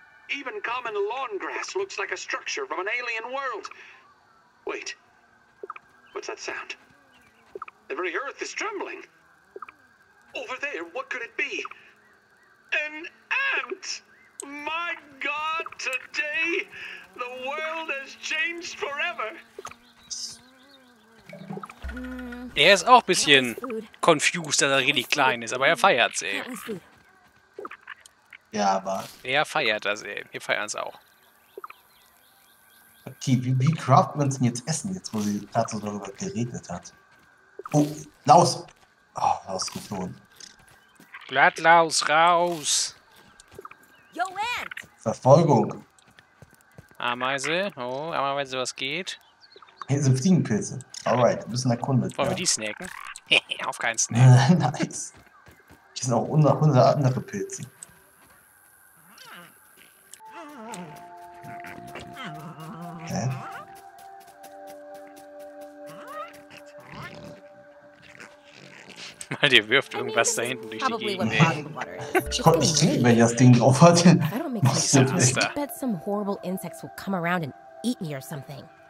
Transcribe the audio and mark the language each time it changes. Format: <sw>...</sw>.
<en>Even common lawn grass looks like a structure from an alien world. Wait. What's that sound? Every earth is trembling. Over there, what could it be? An ant! My God, today the world has changed forever.</en> <de>Er ist auch ein bisschen confused, dass er richtig klein ist, aber er feiert es, ey. Ja, aber... Er feiert das, ey. Wir feiern es auch. Okay, wie craft man es denn jetzt essen, jetzt wo sie dazu darüber geredet hat? Oh, Laus! Oh, Laus geflohen. Blattlaus, raus! Yo, Ant! Verfolgung! Ameise, oh, Ameise, was geht? Hey, sind Fliegenpilze. Alright, wir müssen erkundet. Wollen wir die snacken? Auf keinen Snack. Nice. Die sind auch unter andere Pilze. Hä? Mal, der wirft irgendwas da hinten durch die Gegend. Ich konnte nicht reden, wenn ich das Ding drauf hatte.</de> <en>Ich bet some horrible insects will come around and eat me or something.</en>